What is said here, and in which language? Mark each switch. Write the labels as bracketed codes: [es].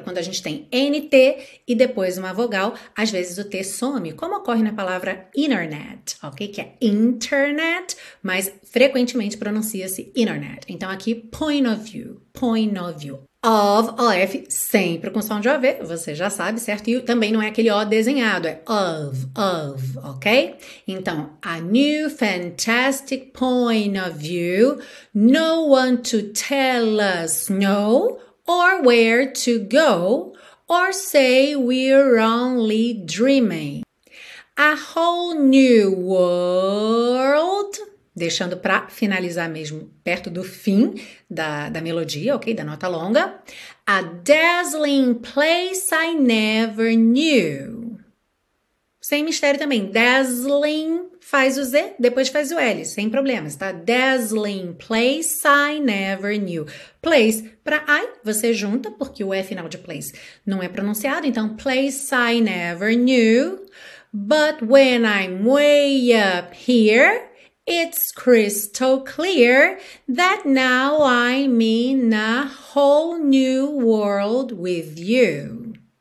[pt] Quando a gente tem NT e depois uma vogal, às vezes o T some, como ocorre na palavra internet, ok? Que é internet, mas frequentemente pronuncia-se internet. Então aqui, [en] point of view, point of view. [pt] Of, OF, sempre com som de OV, você já sabe, certo? E também não é aquele O desenhado, é of, ok? [en] Então, a new fantastic point of view, no one to tell us no, or where to go, or say we're only dreaming. A whole new world. [pt] Deixando para finalizar mesmo perto do fim da melodia, ok? Da nota longa. [en] A dazzling place I never knew. [pt] Sem mistério também. Dazzling faz o Z, depois faz o L. Sem problemas, tá? [en] Dazzling place I never knew. [pt] Place para I, você junta, porque o E final de place não é pronunciado. Então, [en] place I never knew. But when I'm way up here, it's crystal clear that now I'm in a whole new world with you.